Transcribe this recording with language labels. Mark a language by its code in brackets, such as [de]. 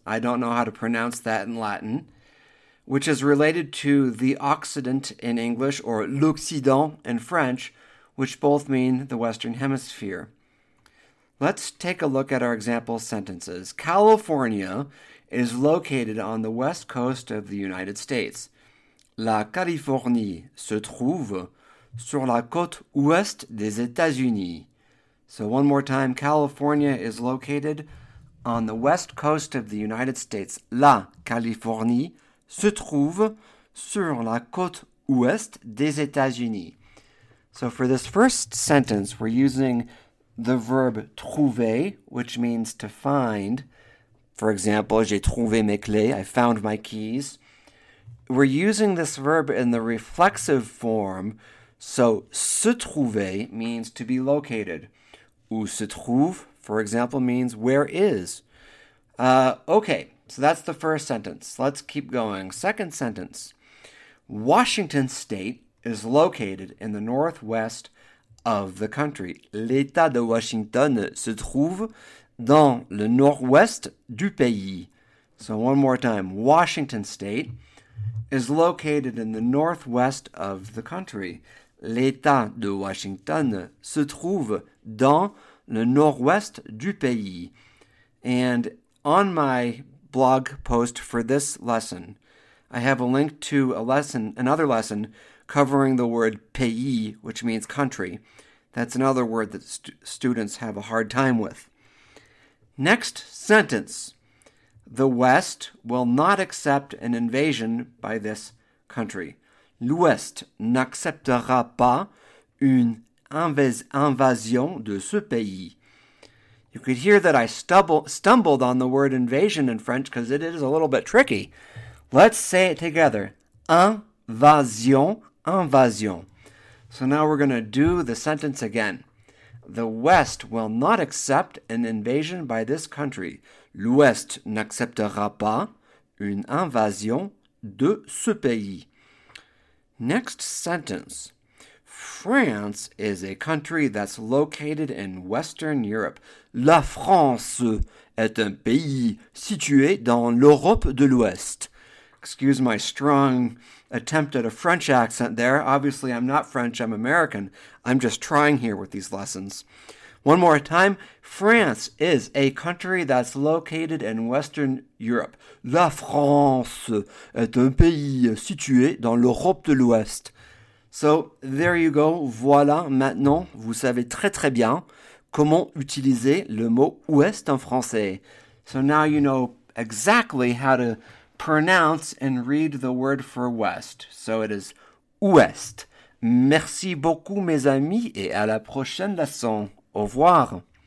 [en] I don't know how to pronounce that in Latin, which is related to the occident in English or l'occident in French, which both mean the Western Hemisphere. Let's take a look at our example sentences. California is located on the west coast of the United States. [fr] La Californie se trouve sur la côte ouest des États-Unis. [en] So one more time, California is located on the west coast of the United States. [fr] La Californie se trouve sur la côte ouest des États-Unis. [en] So for this first sentence, we're using the verb trouver, which means to find. For example, [fr] j'ai trouvé mes clés, [en] I found my keys. We're using this verb in the reflexive form. So, se trouver means to be located. [fr] Où se trouve, [en] for example, means where is. Okay, so that's the first sentence. Let's keep going. Second sentence. Washington State is located in the northwest of the country. [fr] L'État de Washington se trouve dans le nord-ouest du pays. [en] So, one more time. Washington State is located in the northwest of the country. [fr] L'État de Washington se trouve dans le nord-ouest du pays. [en] And on my blog post for this lesson, I have a link to a lesson, another lesson, covering the word pays, which means country. That's another word that students have a hard time with. Next sentence. The West will not accept an invasion by this country. [fr] L'Ouest n'acceptera pas une invasion de ce pays. [en] You could hear that I stumbled on the word invasion in French because it is a little bit tricky. Let's say it together. Invasion, invasion. So now we're going to do the sentence again. The West will not accept an invasion by this country. [fr] L'Ouest n'acceptera pas une invasion de ce pays. [en] Next sentence. France is a country that's located in Western Europe. [fr] La France est un pays situé dans l'Europe de l'Ouest. [en] Excuse my strong attempt at a French accent there. Obviously, I'm not French, I'm American. I'm just trying here with these lessons. One more time. France is a country that's located in Western Europe. [fr] La France est un pays situé dans l'Europe de l'Ouest. [en] So, there you go. [fr] Voilà. Maintenant, vous savez très très bien comment utiliser le mot ouest en français. [en] So, now you know exactly how to pronounce and read the word for west. So, it is ouest. [fr] Merci beaucoup, mes amis, et à la prochaine leçon. Au revoir.